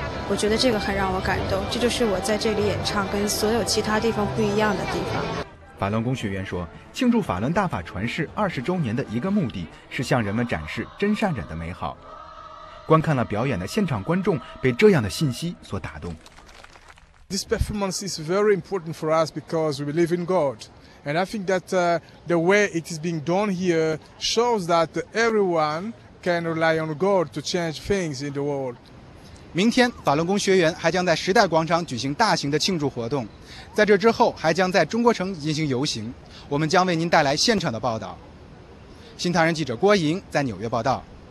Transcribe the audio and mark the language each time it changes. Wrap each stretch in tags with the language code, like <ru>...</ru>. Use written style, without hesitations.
<zh>我觉得这个很让我感动，这就是我在这里演唱跟所有其他地方不一样的地方。法轮功学员说，庆祝法轮大法传世20周年的一个目的是向人们展示真善忍的美好。观看了表演的现场观众被这样的信息所打动。</zh> <en>This performance is very important for us because we believe in God, and I think that the way it is being done here shows that everyone can rely on God to change things in the world.</en> <zh>明天法轮功学员还将在时代广场举行大型的庆祝活动，在这之后还将在中国城进行游行，我们将为您带来现场的报道。新唐人记者郭莹在纽约报道。</zh>